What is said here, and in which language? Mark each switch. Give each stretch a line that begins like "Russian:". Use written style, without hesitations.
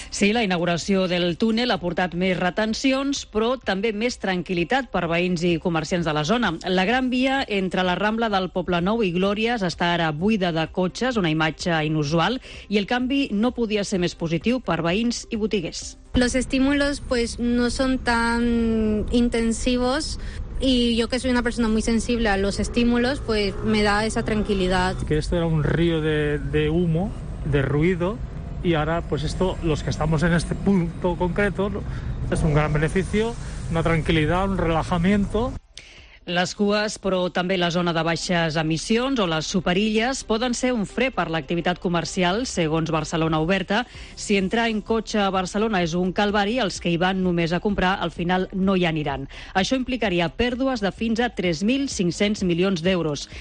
Catalan: Sí, la inauguració del túnel ha portat més retencions, però també més tranquil·litat per veïns i comerciants de la zona. La Gran Via entre la Rambla del Poblenou i Glòries està ara buida de cotxes, una imatge inusual, i el canvi no podia ser més positiu per veïns i botiguers.
Spanish: Los estímulos pues no son tan intensivos y yo que soy una persona muy sensible a los estímulos pues me da esa tranquilidad. Que esto era un río de humo, de ruido, y ahora pues esto, los que estamos en este punto concreto, es un gran beneficio, una tranquilidad, un relajamiento.
Catalan: Les cues, però també la zona de baixes emissions o les superilles, poden ser un fre per l'activitat comercial, segons Barcelona Oberta. Si entrar en cotxe a Barcelona és un calvari, els que hi van només a comprar al final no hi aniran. Això implicaria pèrdues de fins a 3.500 milions d'euros.